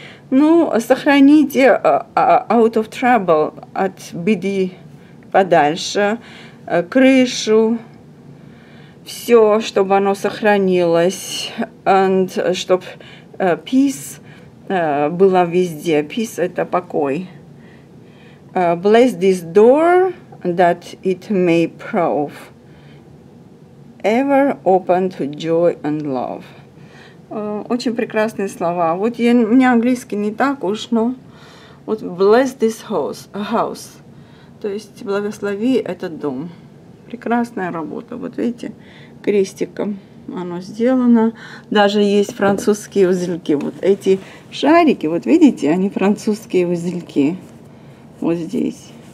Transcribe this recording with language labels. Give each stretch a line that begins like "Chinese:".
Russian: Ну, сохраните
English: out of trouble,
Russian: от беды подальше, крышу. Все, чтобы оно сохранилось, and чтобы peace была везде. Peace – это покой.
English: Bless this door, that it may prove ever open to joy and love.
Russian: Очень прекрасные слова. Вот я, у меня английский не так уж, но вот
English: bless this house.
Russian: То есть благослови этот дом. Прекрасная работа. Вот видите, крестиком оно сделано. Даже есть французские узельки. Вот эти шарики, вот видите, они французские узельки. Вот здесь.